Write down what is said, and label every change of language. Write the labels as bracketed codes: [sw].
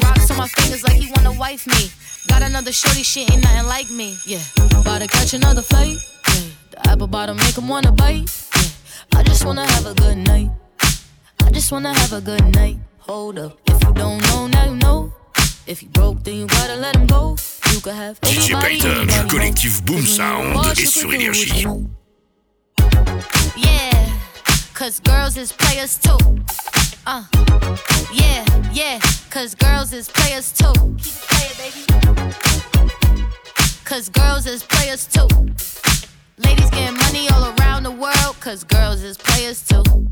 [en] Rocks on my fingers like he wanna wife me. Got another shorty, she ain't nothing like me. Yeah, about to catch another fight. Yeah. The apple bottom make him wanna bite. Yeah. I just wanna have a good night. I just wanna have a good night. Hold up. If you don't know, now you know. If you broke, then you gotta let him go. You could have [fr] DJ Payton, collectif Boom Sound, et sur Énergie. [en] Yeah, cause girls is players too. Yeah, yeah, cause girls is players too. Keep it playing, baby. Cause girls is players too. Ladies getting money all around the world, cause girls is players too.